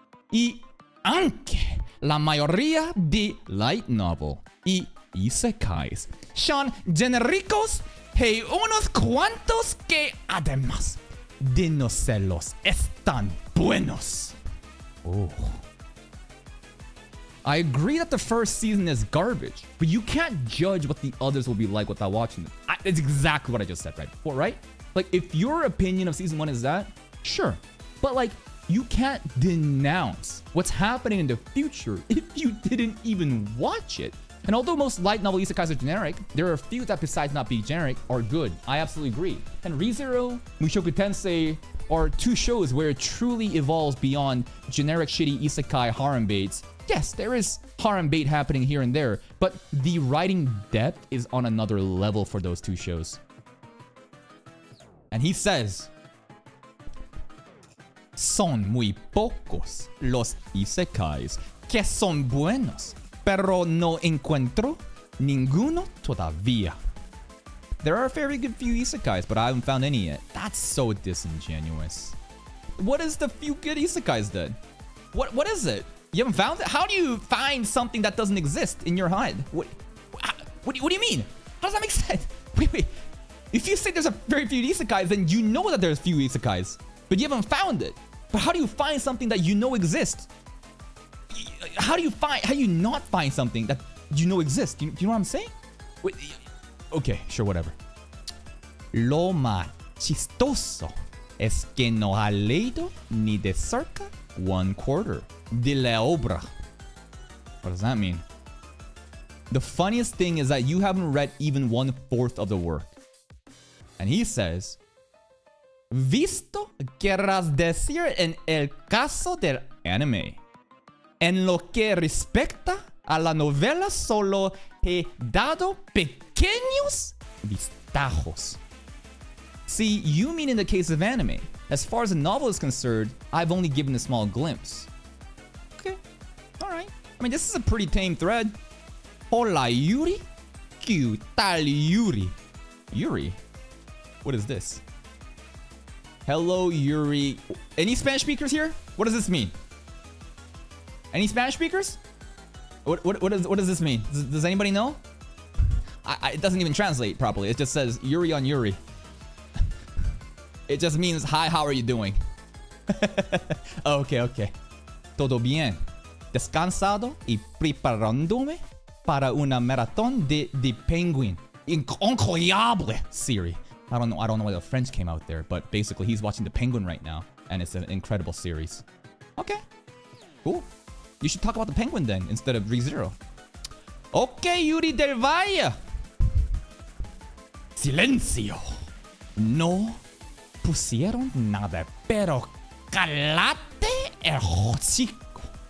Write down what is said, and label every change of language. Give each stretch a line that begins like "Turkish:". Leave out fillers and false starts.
Spanish: Y aunque la mayoría de light novel y isekais son genericos, hay unos cuantos que además de no serlos están buenos. Oh.
English: I agree that the first season is garbage, but you can't judge what the others will be like without watching them. It's exactly what I just said right before, right? Like, if your opinion of season one is that, sure. But, like, you can't denounce what's happening in the future if you didn't even watch it. And although most light novel isekais are generic, there are a few that, besides not being generic, are good. I absolutely agree. And ReZero, Mushoku Tensei are two shows where it truly evolves beyond generic shitty isekai harem baits. Yes, there is harem bait happening here and there, but the writing depth is on another level for those two shows. And he says,
Spanish: son muy pocos los isekais que son buenos, pero no encuentro ninguno todavía.
English: There are a very good few isekais, but I haven't found any yet. That's so disingenuous. What is the few good isekais then? What is it? You haven't found it? How do you find something that doesn't exist in your head? What do you mean? How does that make sense? Wait. If you say there's a very few isekais, then you know that there's few isekais, but you haven't found it. But how do you find something that you know exists? How do you not find something that you know exists? Do you know what I'm saying? Wait, okay, sure, whatever.
Spanish: Lo más chistoso es que no ha leído ni de cerca
English: one quarter
Spanish: de la obra.
English: What does that mean? The funniest thing is that you haven't read even one fourth of the work. And he says,
Spanish: visto querrás decir en el caso del anime. En lo que respecta a la novela, solo he dado pequeños vistajos.
English: See, you mean in the case of anime. As far as the novel is concerned, I've only given a small glimpse. Okay, alright. I mean, this is a pretty tame thread.
Spanish: Hola, Yuri. ¿Qué tal, Yuri?
English: Yuri? What is this? Hello, Yuri. Any Spanish speakers here? What does this mean? Any Spanish speakers? What does this mean? Does anybody know? It doesn't even translate properly. It just says Yuri on Yuri. It just means, hi, how are you doing? Okay.
Spanish: Todo bien. Descansado y preparándome para una maratón de Penguin. Increíble, Siri.
English: I don't know why the French came out there, but basically he's watching The Penguin right now, and it's an incredible series. Okay. Cool. You should talk about The Penguin then, instead of ReZero. Okay, Yuri Del Valle.
Spanish: Silencio. No pusieron nada, pero calate el hocico.